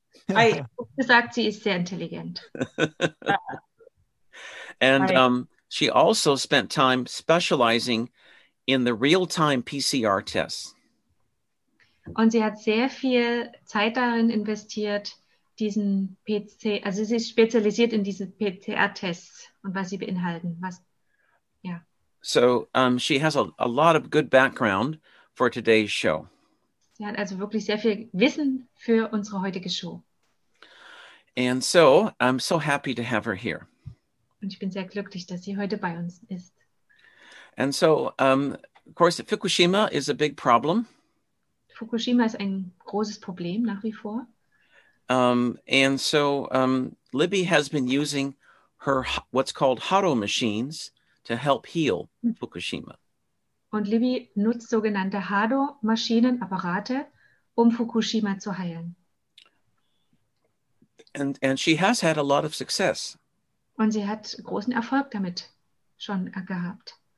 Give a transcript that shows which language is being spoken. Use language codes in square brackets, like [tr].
[de] I gesagt, sie ist sehr intelligent. [en] And she also spent time specializing in the real-time PCR tests. [de] Und sie hat sehr viel Zeit darin investiert, diesen PC, also sie ist spezialisiert in diesen PCR-Tests und was sie beinhalten. [en] So she has a lot of good background for today's show. [de] Sie hat also wirklich sehr viel Wissen für unsere heutige Show. [en] And so I'm so happy to have her here. [de] Und ich bin sehr glücklich, dass sie heute bei uns ist. [en] And so, of course, Fukushima is a big problem. [de] Fukushima ist ein großes Problem nach wie vor. [en] And so Libby has been using her what's called Haro machines to help heal Fukushima. [de] Und Libby nutzt sogenannte Hado-Maschinen, Apparate, um Fukushima zu heilen. [en] And she has had a lot of success. [de] Und sie hat großen Erfolg damit schon gehabt.